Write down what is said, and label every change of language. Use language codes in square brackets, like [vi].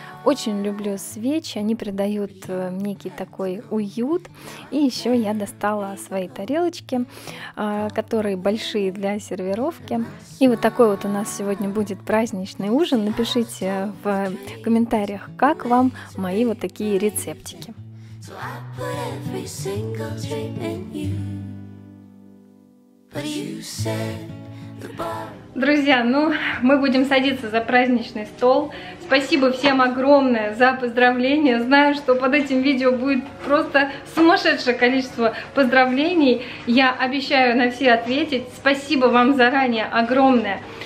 [ru] Очень люблю свечи, они придают некий такой уют. И еще я достала свои тарелочки, которые большие для сервировки. И вот такой вот у нас сегодня будет праздничный ужин. Напишите в комментариях, как вам мои вот такие рецептики. [en] So I put every single dream in you. But you said the bar. [ru] Друзья, ну, мы будем садиться за праздничный стол. Спасибо всем огромное за поздравления. Знаю, что под этим видео будет просто сумасшедшее количество поздравлений. Я обещаю на все ответить. Спасибо вам заранее огромное.